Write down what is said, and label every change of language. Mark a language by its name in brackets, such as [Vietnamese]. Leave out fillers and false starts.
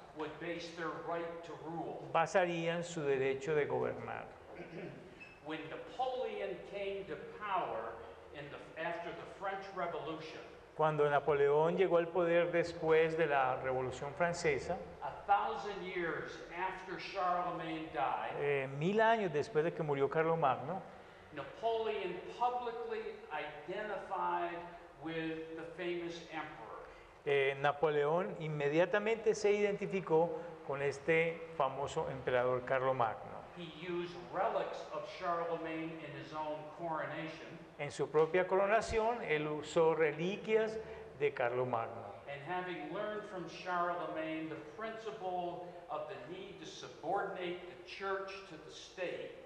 [English] would base their right to rule. [Spanish] Basarían su derecho de gobernar. [English] When Napoleon came to power after the French Revolution, [Spanish] cuando Napoleón llegó al poder después de la Revolución Francesa, [English] 1,000 years after Charlemagne died, [Spanish] 1,000 años después de que murió Carlos Magno, [English] Napoleon publicly identified with the famous emperor. [Spanish] Napoleón inmediatamente se identificó con este famoso emperador Carlos Magno. [English] He used relics of Charlemagne in his own coronation. [Spanish] En su propia coronación, él usó reliquias de Carlos Magno. [English] And having learned from Charlemagne the principle of the need to subordinate the church to the state.